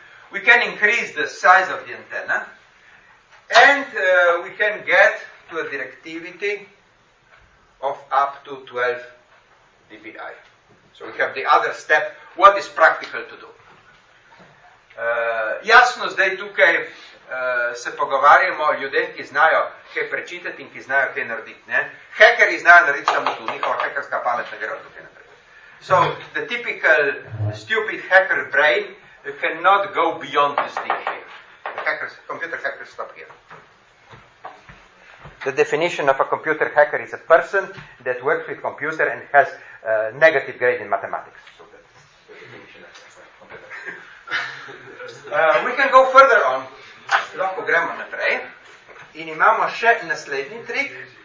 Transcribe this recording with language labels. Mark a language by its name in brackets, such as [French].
[English] We can increase the size of the antenna and we can get to a directivity of up to 12 dBi. So we have the other step, what is practical to do. [Slovenian] Jasno, zdaj tukaj se pogovarjamo o ljudeh, ki znajo kaj prečitati in ki znajo kaj narediti. Ne? Hekeri znajo narediti samo tu, njihova hekerska pamet ne gre tukaj naprej. [English] So the typical stupid hacker brain cannot go beyond this thing here. Hackers, computer hackers stop here. The definition of a computer hacker is a person that works with computer and has a negative grade in mathematics. So that's the definition of computer. We can go further on. [Slovenian] Lahko gremo naprej. In imamo še naslednji trik.